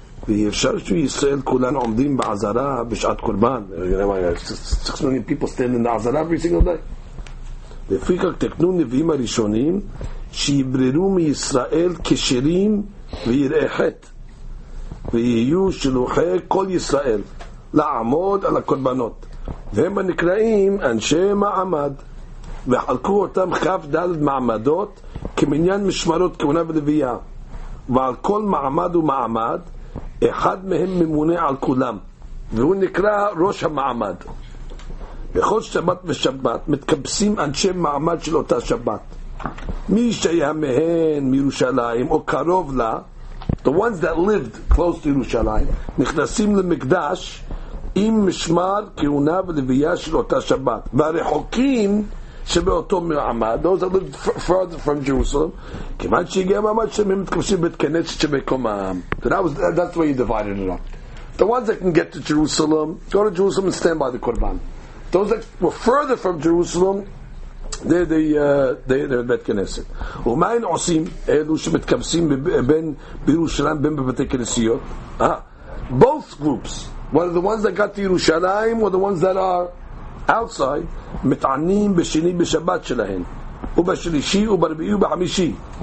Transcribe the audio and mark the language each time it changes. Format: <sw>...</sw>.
<he>ואפשר שישראל כולן עומדים בעזרה בשעת קורבן.</he> <en>Six million people stand in the עזרה every single day.</en> <he>לפי כך תקנו נביאים הראשונים שיבררו מישראל כשרים ויראי חטא. ויהיו שלוחי כל ישראל לעמוד על הקורבנות. והם הנקראים אנשי מעמד. וחלקו אותם כף דלת מעמדות כמניין משמרות כהונה ולוויה. ועל כל מעמד ומעמד אחד מהם ממונה על כולם, והוא נקרא ראש המעמד. בכל שבת ושבת מתקבסים אנשי מעמד של אותה שבת. מי שהיה מהן מירושלים או קרוב לה,</he> <en>the ones that lived close to ירושלים,</en> <he>נכנסים למקדש עם משמר כהונה ולוויה של אותה שבת. והרחוקים שבאותו מעמד,</he> <en>those that lived further from Jerusalem,</en> <he>כמעט שהגיע מעמד שהם מתקבשים בית כנסת שבקומם.</he> <en>That's where you divided it up. The ones that can get to Jerusalem, go to Jerusalem and stand by the Korban. Those that were further from Jerusalem, they're בית כנסת.</en> <he>ומהן עושים אלו שמתקבשים בין בירושלים בין בבתי כנסיות?</he> <en>Both groups, whether the ones that got to Jerusalem or the ones that are outside,</en> <he>מתענים בשני בשבת שלהן, ובשלישי וברביעי ובחמישי.</he>